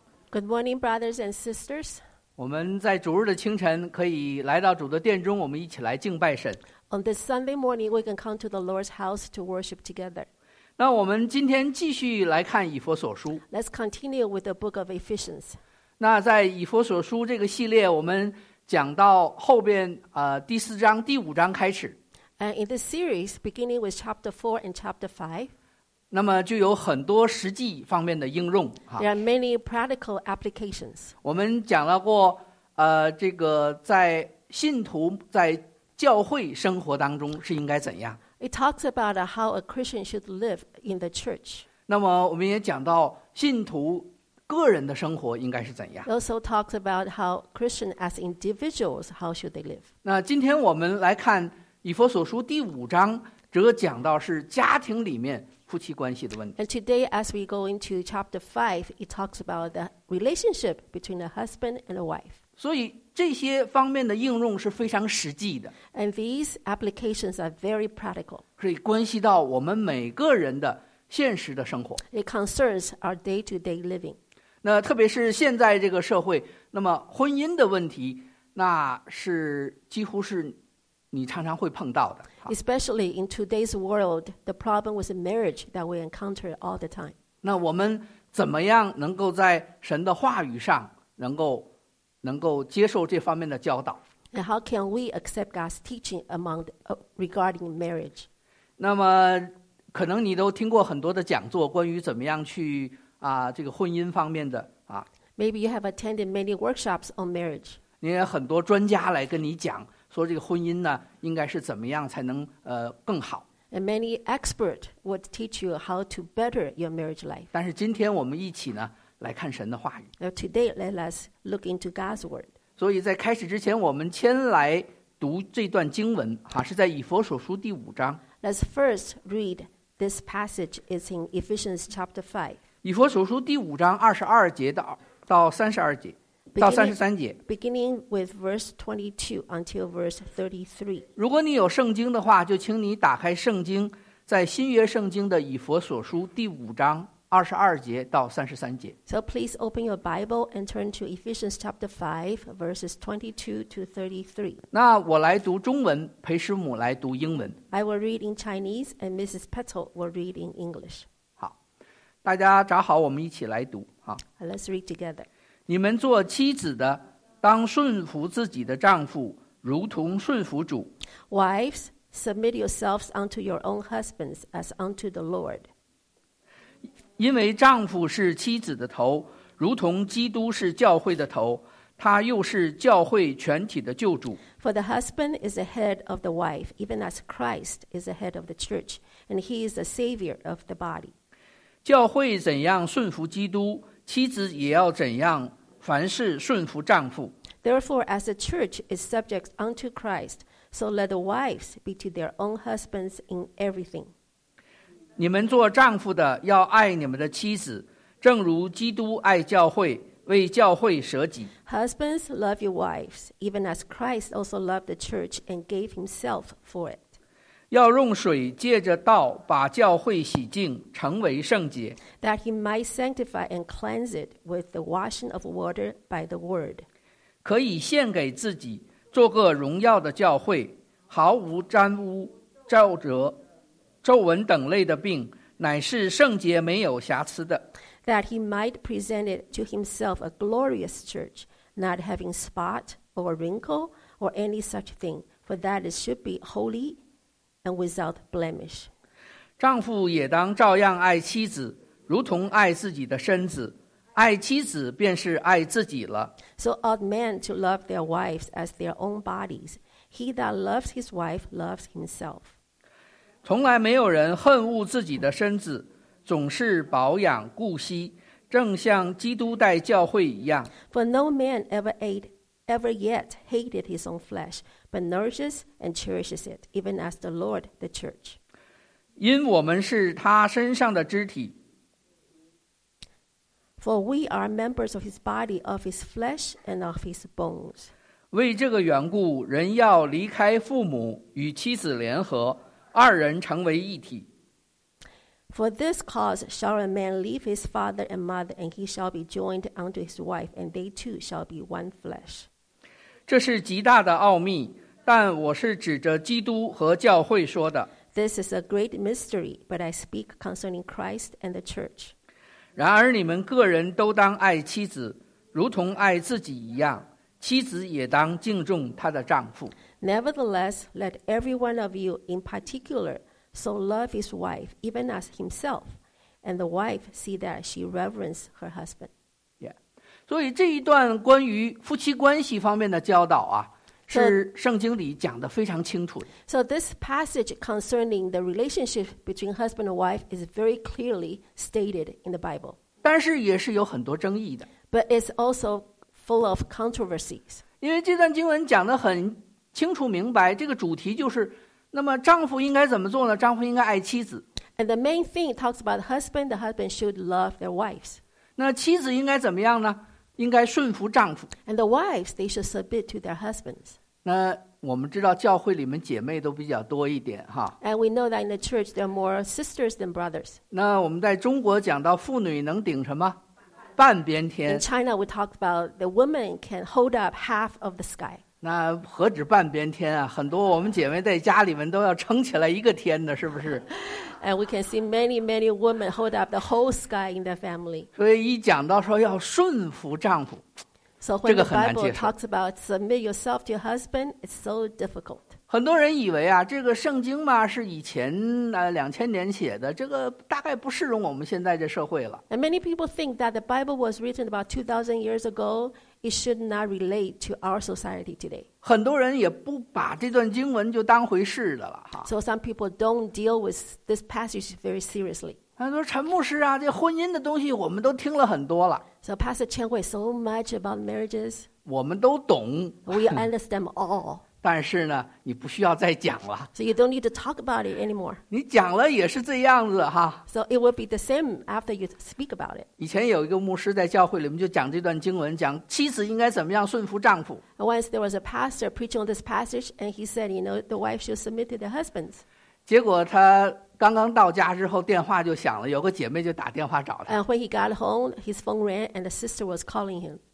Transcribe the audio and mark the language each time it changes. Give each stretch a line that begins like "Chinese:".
English: Good morning, brothers and sisters.
Chinese: 我们在主日的清晨可以来到主的殿中，我们一起来敬拜神。
English: On this Sunday morning, we can come to the Lord's house to worship together.
Chinese: 那我们今天继续来看以弗所书。
English: Let's continue with the book of Ephesians.
Chinese: 那在以弗所书这个系列，我们讲到后边第四章、第五章开始。
English: And in this series, beginning with chapter 4 and chapter 5,
Chinese: 那么就有很多实际方面的应用。
English: There are many practical applications.
Chinese: 我们讲到过这个在信徒在教会生活当中是应该怎样。
English: It talks about how a Christian should live in the church.
Chinese: 那么我们也讲到信徒个人的生活应该是怎样。
English: It also talks about how Christian as individuals, how should they live.
Chinese: 那今天我们来看以弗所书第五章，则讲到是家庭里面夫妻关系的问题。
English: And today, as we go into chapter 5, it talks about the relationship between a husband and a wife.
Chinese: 所以这些方面的应用是非常实际的。
English: And these applications are very practical.
Chinese: 可以关系到我们每个人的现实的生活。
English: It concerns our day-to-day living.
Chinese: 那特别是现在这个社会，那么婚姻的问题，那是几乎是你常常会碰到的。
English: Especially in today's world, the problem with marriage that we encounter all the time.
Chinese: 那我们怎么样能够在神的话语上能够接受这方面的教导？
English: And how can we accept God's teaching regarding marriage?
Chinese: 那么可能你都听过很多的讲座，关于怎么样去这个婚姻方面的啊。
English: Maybe you have attended many workshops on marriage.
Chinese: 你也很多专家来跟你讲。说这个婚姻呢，应该是怎么样才能更好
English: ？And many experts would teach you how to better your marriage life.
Chinese: 但是今天我们一起呢来看神的话语。
English: Now today, let us look into God's word.
Chinese: 所以在开始之前，我们先来读这段经文啊，是在以弗所书第五章。
English: Let's first read this passage. It's in Ephesians chapter 5.
Chinese: 以弗所书第五章22节到32节。到三十三节
English: beginning with verse 22 until verse 33.
Chinese: 如果你有圣经的话，就请你打开圣经，在新约圣经的以弗所书第五章22节到33节。
English: So please open your Bible and turn to Ephesians chapter 5, verses 22 to 33.
Chinese: 那我来读中文，裴师母来读英文。
English: I will read in Chinese and Mrs. Petal will read in English.
Chinese: 好，大家找好，我们一起来读啊。
English: Let's read together.
Chinese: 你们做妻子的，当顺服自己的丈夫，如同顺服主。
English: Wives, submit yourselves unto your own husbands as unto the Lord.
Chinese: 因为丈夫是妻子的头，如同基督是教会的头，他又是教会全体的救主。
English: For the husband is the head of the wife, even as Christ is the head of the church, and he is the savior of the body.
Chinese: 教会怎样顺服基督，妻子也要怎样凡事顺服丈夫。
English: Therefore, as the church is subject unto Christ, so let the wives be to their own husbands in everything.
Chinese: 你们做丈夫的要爱你们的妻子，正如基督爱教会，为教会舍己。
English: Husbands, love your wives, even as Christ also loved the church and gave himself for it.
Chinese: 要用水借着道把教会洗净，成为圣洁。
English: That he might sanctify and cleanse it with the washing of water by the word.
Chinese: 可以献给自己，做个荣耀的教会，毫无沾污、皱褶、皱纹等类的病，乃是圣洁没有瑕疵的。
English: That he might present it to himself a glorious church, not having spot or wrinkle or any such thing, for that it should be holy. And without blemish.
Chinese: 丈夫也当照样爱妻子，如同爱自己的身子，爱妻子便是爱自己了。
English: So ought men to love their wives as their own bodies. He that loves his wife loves himself.
Chinese: 从来没有人恨恶自己的身子，总是保养顾惜，正像基督待教会一样。
English: For no man ever yet hated his own flesh, but nourishes and cherishes it, even as the Lord, the church.
Chinese: 因我们是他身上的肢体。
English: For we are members of his body, of his flesh, and of his bones.
Chinese: 为这个缘故，人要离开父母，与妻子联合，二人成为一体。
English: For this cause shall a man leave his father and mother, and he shall be joined unto his wife, and they two shall be one flesh.
Chinese: 这是极大的奥秘，但我是指着基督和教会说的。
English: This is a great mystery, but I speak concerning Christ and the church.
Chinese: 然而你们个人都当爱妻子，如同爱自己一样，妻子也当敬重她的丈夫。
English: Nevertheless, let every one of you in particular so love his wife, even as himself, and the wife see that she reverence her husband. Yeah.
Chinese: 所以这一段关于夫妻关系方面的教导啊，是圣经里讲的非常清楚的。
English: So this passage concerning the relationship between husband and wife is very clearly stated in the Bible.
Chinese: 但是也是有很多争议的。
English: But it's also full of controversies.
Chinese: 因为这段经文讲得很清楚明白，这个主题就是，那么丈夫应该怎么做呢？丈夫应该爱妻子。
English: And the main thing talks about the husband should love their wives.
Chinese: 那妻子应该怎么样呢？应该顺服丈夫。
English: And the wives, they should submit to their husbands.
Chinese: 那我们知道教会里面姐妹都比较多一点哈。
English: And we know that in the church, there are more sisters than brothers.
Chinese: 那我们在中国讲到妇女能顶什么？半边天。
English: In China, we talk about the women can hold up half of the sky.
Chinese: 那何止半边天啊，很多我们姐妹在家里面都要撑起来一个天的，是不是？
English: And we can see many, many women hold up the whole sky in their family.
Chinese: 所以一讲到说要顺服丈夫，
English: so when the Bible talks about submit yourself to your husband, it's so difficult.
Chinese: 很多人以为啊，这个圣经嘛是以前2000年写的，这个大概不适用我们现在这社会了。
English: And many people think that the Bible was written about 2000 years ago,It should not relate to our society today.
Chinese: 很多人也不把这段经文就当回事的了。
English: So some people don't deal with this passage very seriously.
Chinese: 他说陈牧师啊，这婚姻的东西我们都听了很多了。
English: So Pastor Chen Hui, so much about marriages.
Chinese: 我们都懂。
English: We understand all.
Chinese: 但是呢，你不需要再讲了。
English: So you don't need to talk about it anymore.
Chinese: 你讲了也是这样子哈。
English: So it will be the same after you speak about it.
Chinese: 以前有一个牧师在教会里面就讲这段经文，讲妻子应该怎么样顺服丈夫。
English: Once there was a pastor preaching on this passage, and he said, you know, the wife should submit to the husbands.
Chinese: 结果他刚刚到家之后，电话就响了，有个姐妹就打电话找他。
English: And when he got home, his phone rang, and the sister was calling him.